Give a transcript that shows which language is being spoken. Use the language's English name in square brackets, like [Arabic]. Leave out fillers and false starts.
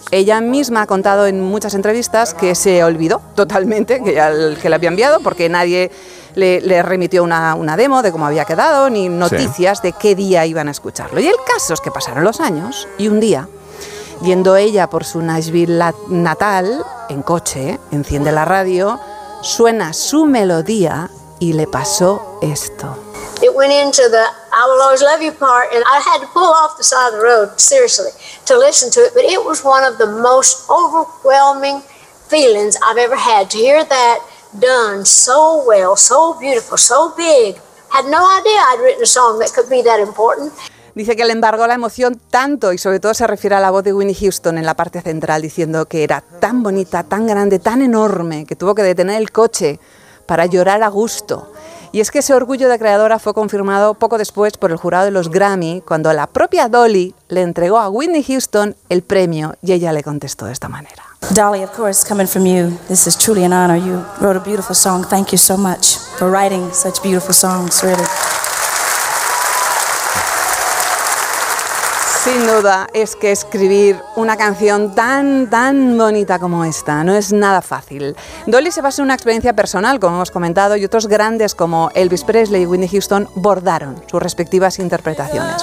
[Spanish] Ella misma ha contado en muchas entrevistas que se olvidó totalmente que ya el que le había enviado, porque nadie le remitió una demo de cómo había quedado, ni noticias de qué día iban a escucharlo. Y el caso es que pasaron los años, y un día, yendo ella por su Nashville natal, en coche, enciende la radio, suena su melodía, y le pasó esto. [English] It went into the I will always love you part, and I had to pull off the side of the road, seriously, to listen to it. But it was one of the most overwhelming feelings I've ever had to hear that done so well, so beautiful, so big. Had no idea I'd written a song that could be that important. [Spanish] Dice que le embargó la emoción tanto, y sobre todo se refiere a la voz de Whitney Houston en la parte central, diciendo que era tan bonita, tan grande, tan enorme, que tuvo que detener el coche para llorar a gusto. Y es que ese orgullo de creadora fue confirmado poco después por el jurado de los Grammy, cuando la propia Dolly le entregó a Whitney Houston el premio, y ella le contestó de esta manera. [English] Dolly, of course, coming from you, this is truly an honor. You wrote a beautiful song. Thank you so much for writing such beautiful songs, really. [Spanish] Sin duda, es que escribir una canción tan, tan bonita como esta no es nada fácil. Dolly se basa en una experiencia personal, como hemos comentado, y otros grandes como Elvis Presley y Whitney Houston bordaron sus respectivas interpretaciones.